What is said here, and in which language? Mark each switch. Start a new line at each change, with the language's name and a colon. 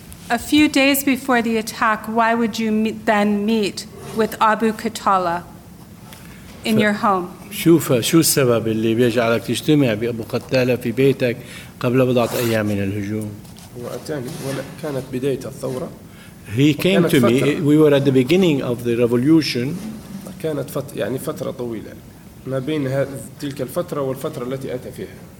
English: A few days before the attack, why would you then meet with Abu قتالة in your home?
Arabic: شوف شو السبب اللي بيجعلك تجتمع بأبو قتالة في بيتك قبل بضعة أيام من الهجوم. وأتاني كانت بداية الثورة.
English: He came to me. We were at the beginning of the revolution.
Arabic: كانت فترة يعني فترة طويلة ما بين تلك الفترة والفترة التي أتى فيها.